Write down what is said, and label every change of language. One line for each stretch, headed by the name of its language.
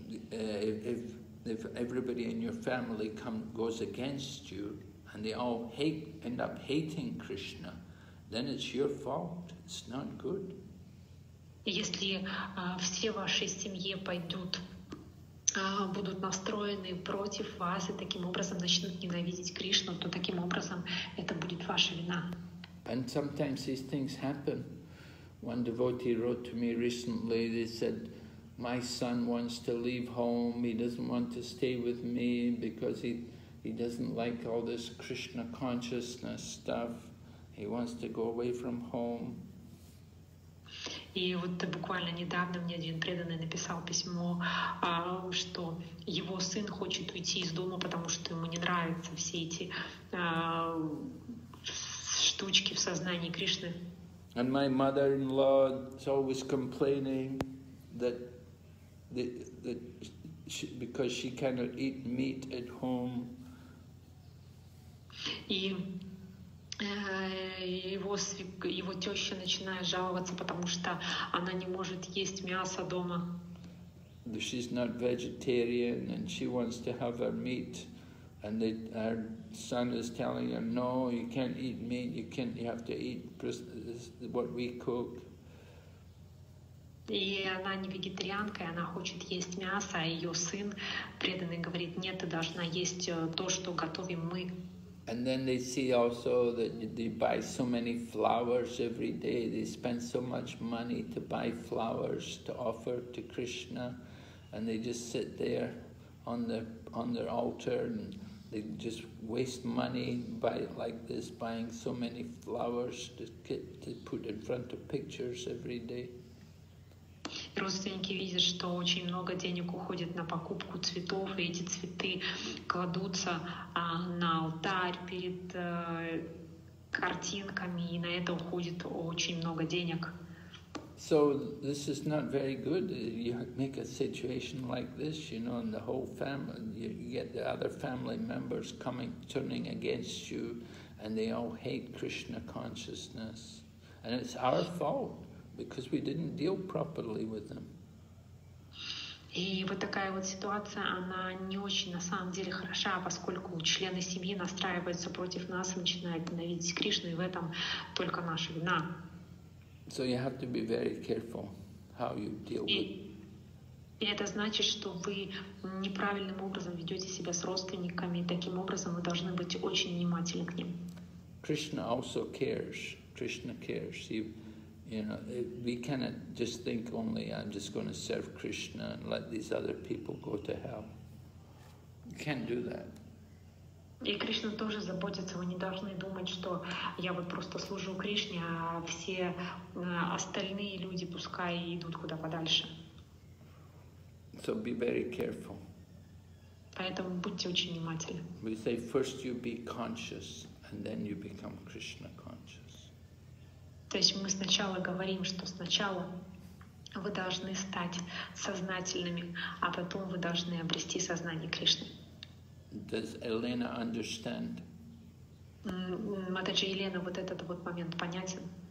English: If everybody in your family goes against you and they all end up hating Krishna, then it's your fault. It's not good.
Russian: Если все в вашей семье пойдут, будут настроены против вас и таким образом начнут ненавидеть Кришну, то таким образом это будет ваша вина.
English: And sometimes these things happen. One devotee wrote to me recently. They said, "My son wants to leave home. He doesn't want to stay with me because he doesn't like all this Krishna consciousness stuff. He wants to go away from home."
Russian: И вот буквально недавно мне один преданный написал письмо, что его сын хочет уйти из дома, потому что ему не нравятся все эти штучки в сознании Кришны.
English: And my mother-in-law is always complaining that because she cannot eat meat at home.
Russian: И его теща начинает жаловаться, потому что она не может есть мясо дома.
English: She's not vegetarian and she wants to have her meat. And her son is telling her, no, you can't eat meat, you have to eat what we cook.
Russian: И она не вегетарианка, и она хочет есть мясо, а ее сын преданный говорит, нет, ты должна есть то, что готовим мы.
English: And then they see also that they buy so many flowers every day. They spend so much money to buy flowers to offer to Krishna, and they just sit there on their altar and they just waste money buying so many flowers to put in front of pictures every day.
Russian: Родственники видят, что очень много денег уходит на покупку цветов, и эти цветы кладутся на алтарь перед картинками, и на это уходит очень много денег.
English: So this is not very good. You make a situation like this, you know, and the whole family, you get the other family members coming, turning against you, and they all hate Krishna consciousness. And it's our fault, because we didn't deal properly with them.
Russian: И вот такая вот ситуация, она не очень на самом деле хороша, поскольку члены семьи настраиваются против нас и начинают ненавидеть Кришну, и в этом только наша вина.
English: So you have to be very careful how you deal with.
Russian: И это значит, что вы неправильным образом ведете себя с родственниками, и таким образом вы должны быть очень внимательны к ним.
English: Krishna also cares. Krishna cares. You know, we cannot just think only, I'm just going to serve Krishna and let these other people go to hell. You can't do that.
Russian: И Кришна тоже заботится, вы не должны думать, что я вот просто служу Кришне, а все остальные люди пускай идут куда подальше.
English: So be very careful.
Russian: Поэтому будьте очень внимательны.
English: We say first you be conscious and then you become Krishna conscious.
Russian: То есть мы сначала говорим, что сначала вы должны стать сознательными, а потом вы должны обрести сознание Кришны.
English: Does Elena understand?
Russian: Матаджи Елена, вот этот вот момент понятен?